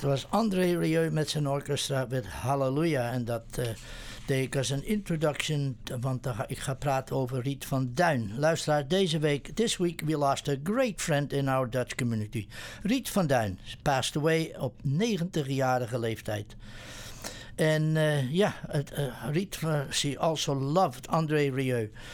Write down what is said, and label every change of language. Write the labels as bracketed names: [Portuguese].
[Dutch] André Rieu met zijn orkestra met Halleluja. En dat deed ik als een introduction, want ik ga praten over Riet van Duin. Luisteraar, deze week, [English] this week we lost a great friend in our Dutch community. Riet van Duin passed away [Dutch] op 90-jarige leeftijd. [English] En ja, Riet, she also loved André Rieu.